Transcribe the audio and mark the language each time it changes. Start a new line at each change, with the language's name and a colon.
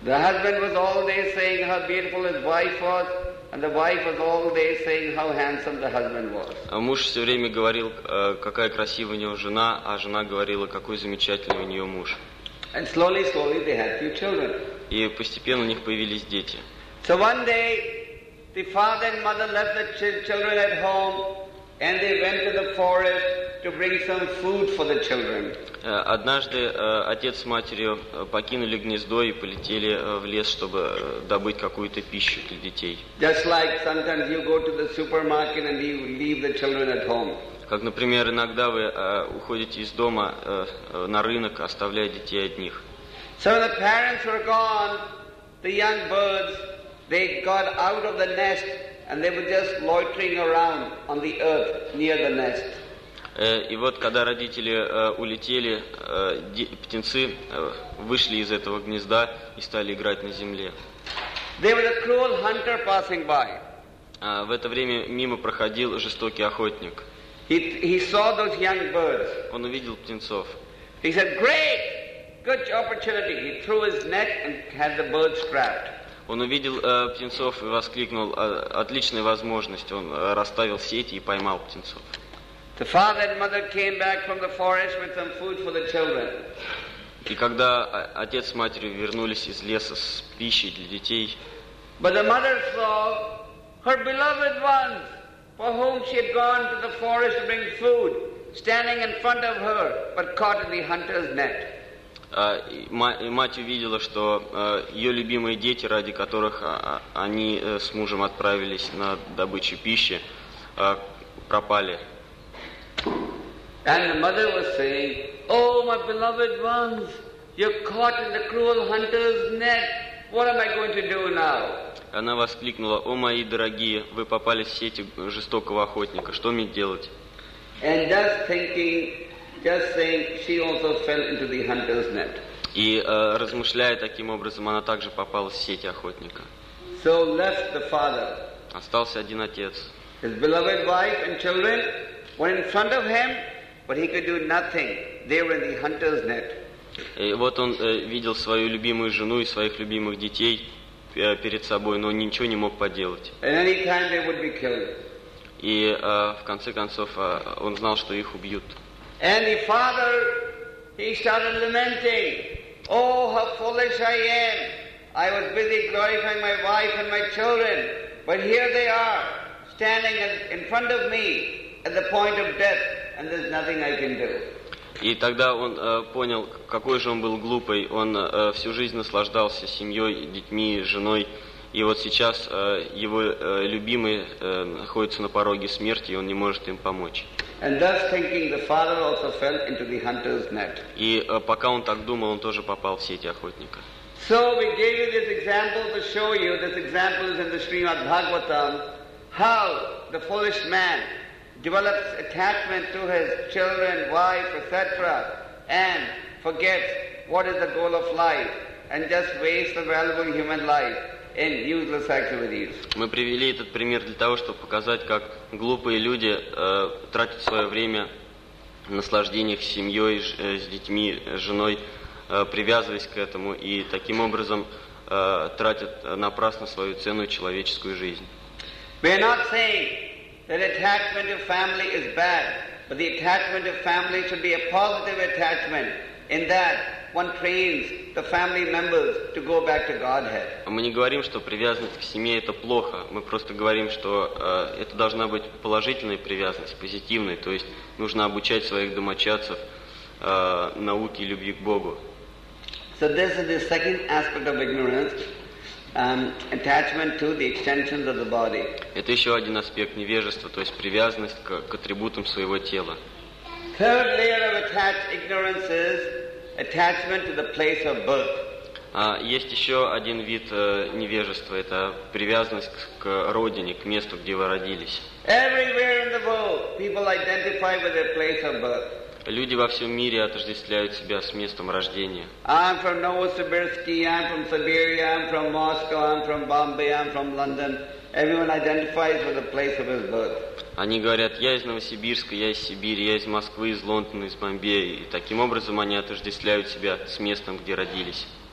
English: The husband was all day saying how beautiful his wife was, and the wife was all day saying how handsome the husband was.
Russian: А муж все время говорил, какая красивая у него жена, а жена говорила, какой замечательный у нее муж.
English: And slowly, slowly they had few children.
Russian: И постепенно у них появились дети.
English: So one day, the father and mother left the children at home, and they went to the forest to bring some food for the children.
Russian: Однажды отец с матерью покинули гнездо и полетели в лес, чтобы добыть какую-то пищу для детей.
English: Just like sometimes you go to the supermarket and you leave the children at home.
Russian: Как, например, иногда вы уходите из дома на рынок, оставляя детей одних.
English: So the parents were gone, the young birds, they got out of the nest, and they were just loitering around on the earth near the nest.
Russian: И вот когда родители улетели, птенцы вышли из этого гнезда и стали играть на земле.
English: There was a cruel hunter passing by.
Russian: В это время мимо проходил жестокий охотник.
English: He saw those young birds.
Russian: Он увидел птенцов.
English: He said, "Great, good opportunity." He threw his net and had the birds trapped.
Russian: Он увидел птенцов и воскликнул: «Отличная возможность!» Он расставил сети и поймал птенцов.
English: The father and mother came back from the forest with some food for the children.
Russian: И когда отец с матерью вернулись из леса с пищей для детей,
English: but the mother saw her beloved ones, for whom she had gone to the forest to bring food, standing in front of her, but caught in the hunter's net.
Russian: И мать увидела, что ее любимые дети, ради которых они с мужем отправились на добычу пищи, пропали.
English: And the mother was saying, "Oh, my beloved ones, you're caught in the cruel hunter's net. What am I going to do now?"
Russian: Она воскликнула: "О, мои дорогие, вы попали в сети жестокого охотника. Что мне делать?"
English: And just thinking, just saying, she also fell into the hunter's net.
Russian: И размышляя таким образом, она также попала в сети охотника.
English: So left the father.
Russian: Остался один отец.
English: His beloved wife and children were in front of him, but he could do nothing. They were in the hunter's net.
Russian: И вот он видел свою любимую жену и своих любимых детей перед собой, но ничего не мог поделать.
English: And any time they would be killed.
Russian: И в конце концов он знал, что их убьют.
English: And the father, he started lamenting, "Oh, how foolish I am! I was busy glorifying my wife and my children, but here they are, standing in front of me at the point of death, and there's nothing I can do."
Russian: И тогда он понял, какой же он был глупый. Он всю жизнь наслаждался семьей, детьми, женой, и вот сейчас его любимый находится на пороге смерти, и он не может им помочь.
English: And thus thinking, the father also fell into the hunter's net.
Russian: И пока он так думал, он тоже попал в сети охотника.
English: So we gave you this example to show you. This example is in the Srimad Bhagavatam. How the foolish man develops attachment to his children, wife, etc., and forgets what is the goal of life, and just wastes the valuable human life in useless activities.
Russian: Мы привели этот пример для того, чтобы показать, как глупые люди тратят свое время в наслаждениях с семьей, с детьми, с женой, привязываясь к этому, и таким образом тратят напрасно свою ценную человеческую жизнь.
English: We are not saying that attachment to family is bad. But the attachment of family should be a positive attachment. In that, one trains the family members to go back to Godhead.
Russian: Мы не говорим, что привязанность к семье это плохо. Мы просто говорим, что это должна быть положительная привязанность, позитивная. То есть нужно обучать своих домочадцев науке любви к Богу.
English: So this is the second aspect of ignorance, attachment to the extensions of the body.
Russian: Это еще один аспект невежества, то есть привязанность к атрибутам своего тела.
English: Third layer of attached ignorance is attachment to the place of birth.
Russian: Есть еще один вид невежества. Это привязанность к родине, к месту, где вы родились.
English: Everywhere in the world, people identify with their place of birth.
Russian: Люди во всем мире отождествляют себя с местом рождения.
English: I'm from Novosibirsk. I'm from Siberia. I'm from Moscow. I'm from Bombay. I'm from London. Everyone identifies with the place of his birth.
Russian: Они говорят, я из Новосибирска, я из Сибири, я из Москвы, из Лондона, из Бомбея. И таким образом они отождествляют себя с местом, где родились.